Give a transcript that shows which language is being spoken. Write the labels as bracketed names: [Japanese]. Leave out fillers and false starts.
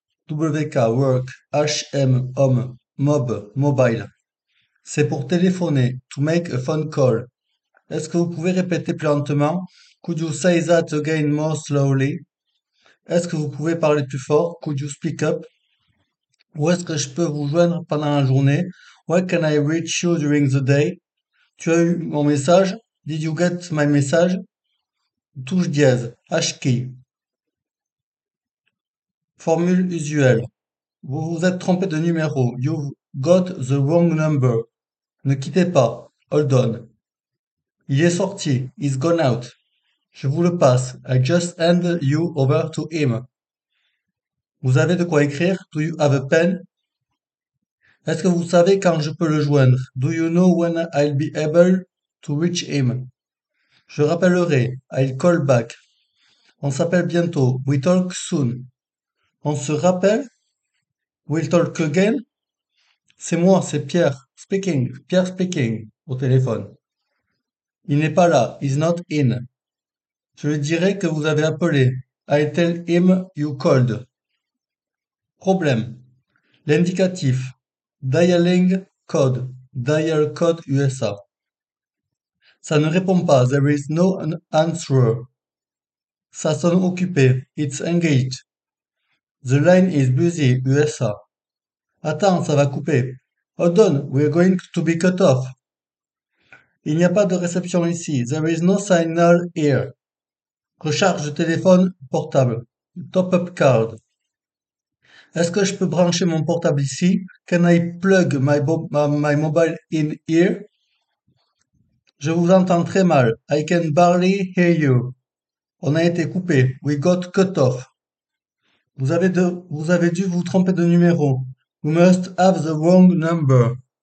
[English] WK, work, HM, home, mob, mobile. [French] C'est pour téléphoner, [English] to make a phone call. [French] Est-ce que vous pouvez répéter plus lentement? [English] Could you say that again more slowly? [French] Est-ce que vous pouvez parler plus fort? [English] Could you speak up? [French] Où est-ce que je peux vous joindre pendant la journée? [English] Where can I reach you during the day? [French] Tu as eu mon message? [English] Did you get my message? [French] Touche dièse, H key. Formule usuelle. Vous vous êtes trompé de numéro. [English] You've got the wrong number. [French] Ne quittez pas. [English] Hold on. [French] Il est sorti. [English] He's gone out. [French] Je vous le passe. [English] I just hand you over to him. [French] Vous avez de quoi écrire? [English] Do you have a pen? [French] Est-ce que vous savez quand je peux le joindre? [English] Do you know when I'll be able to reach him? [French] Je rappellerai. [English] I'll call back. [French] On s'appelle bientôt. [English] We talk soon. [French] On se rappelle? [English] We'll talk again? [French] C'est moi, c'est Pierre. [English] Speaking. Pierre speaking. [French] Au téléphone. Il n'est pas là. [English] He's not in. [French] Je lui dirai que vous avez appelé. [English] I tell him you called. [French] Problème. L'indicatif. [English] Dialing code. Dial code USA. [French] Ça ne répond pas. [English] There is no answer. [French] Ça sonne occupé. [English] It's engaged. The line is busy. USA. [French] Attends, ça va couper. [English] Hold on. We are going to be cut off. [French] Il n'y a pas de réception ici. [English] There is no signal here. [French] Recharge de téléphone portable. [English] Top-up card. [French] Est-ce que je peux brancher mon portable ici? [English] Can I plug my mobile in here? [French] Je vous entends très mal. [English] I can barely hear you. [French] On a été coupé. [English] We got cut off. [French] Vous avez dû vous tromper de numéro. [English] You must have the wrong number.